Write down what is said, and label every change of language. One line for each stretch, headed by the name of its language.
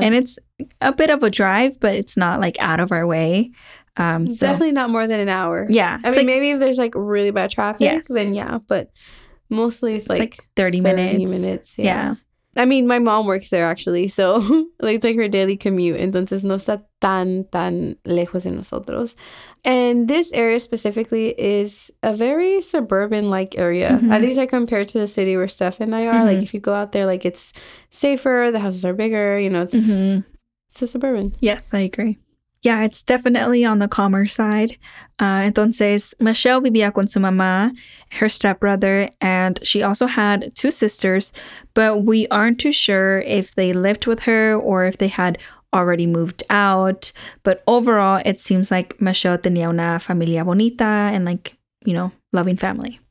English: And it's a bit of a drive, but it's not like out of our way. So. Definitely not more than an hour. Yeah. I mean, like, maybe if there's like really bad traffic, yes. then yeah. But mostly it's like 30 minutes. Yeah. Yeah. I mean, my mom works there actually. So like, it's like her daily commute.
Spanish: Entonces no está tan lejos de nosotros.
English: And this area specifically is a very suburban-like area. Mm-hmm. At least I compare it to the city where Steph and I are. Mm-hmm. Like, if you go out there, like, it's safer, the houses are bigger, you know, it's, mm-hmm. it's a suburban. Yes, I agree. Yeah, it's definitely on the calmer side.
Spanish: Entonces, Michelle vivía con su mamá,
English: her stepbrother, and she also had two sisters, but we aren't too sure if they lived with her or if they had already moved out, but overall it seems like Michelle
Spanish: tenía una familia bonita
English: and like, you know, loving family.